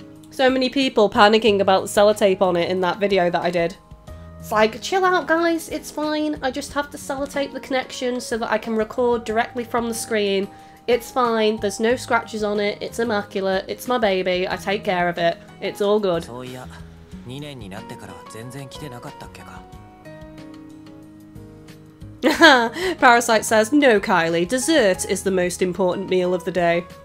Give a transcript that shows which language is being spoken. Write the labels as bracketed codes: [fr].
[en] So many people panicking about the sellotape on it in that video that I did. It's like, chill out, guys. It's fine. I just have to sellotape the connection so that I can record directly from the screen. It's fine, there's no scratches on it, it's immaculate, it's my baby, I take care of it, it's all good. [ja] そういや、2年になってから全然来てなかったっけか。 [en] Parasite says, no Kylie, dessert is the most important meal of the day.